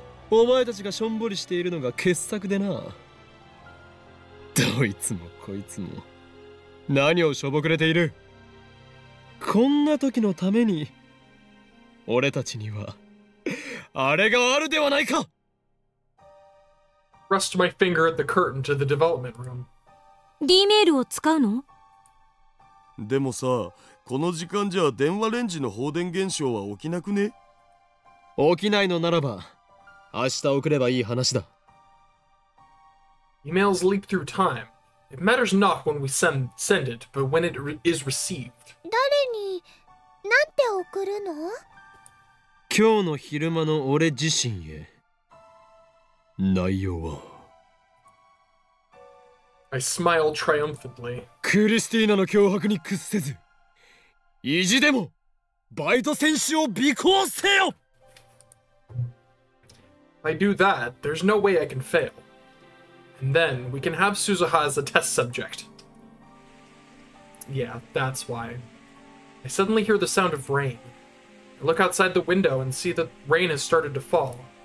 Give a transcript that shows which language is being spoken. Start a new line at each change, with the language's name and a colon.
Japanese: お前たちがしょんぼりしているのが傑作でな。どいつもこいつも何をしょぼくれている。こんな時のために俺たちにはあれがあるではないか。
English: Rust my finger at the curtain to the development room.
Japanese: D メールを使うの？でもさ、この時間じゃ電話レンジの放電現象は起きなくね？起きないのならば明日送ればいい話だ。
English: Emails leap through time. It matters not when we send it, but when it is received.
Japanese: 誰に、なんて送るの？今日の昼間の俺自身へ。内容は。
English: I smile triumphantly.
Japanese: クリスティーナの脅迫に屈せず、意地でもバイト選手を尾行せよ。
English: If I do that, there's no way I can fail. And then, we can have Suzuha as a test subject. Yeah, that's why. I suddenly hear the sound of rain. I look outside the window and see that rain has started to fall.